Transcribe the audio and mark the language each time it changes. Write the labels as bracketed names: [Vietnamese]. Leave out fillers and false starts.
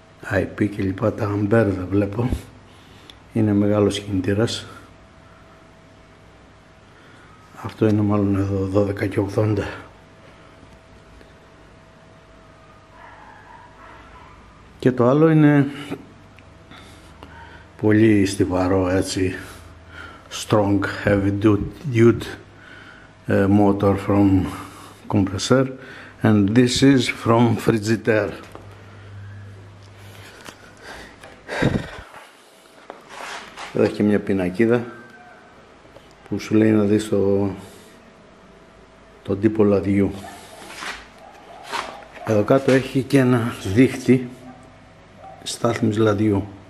[Greek] IP και λοιπά, τα αμπέρ δεν βλέπω. Είναι μεγάλος κινητήρας. Αυτό είναι μάλλον εδώ 12 και 80. Και το άλλο είναι πολύ στιβαρό, έτσι [English] strong heavy duty motor from compressor, and this is from Frigidaire. [Greek] Εδώ έχει μια πινακίδα που σου λέει να δεις τον τύπο λαδιού. Εδώ κάτω έχει και ένα δίχτυ στάθμης λαδιού.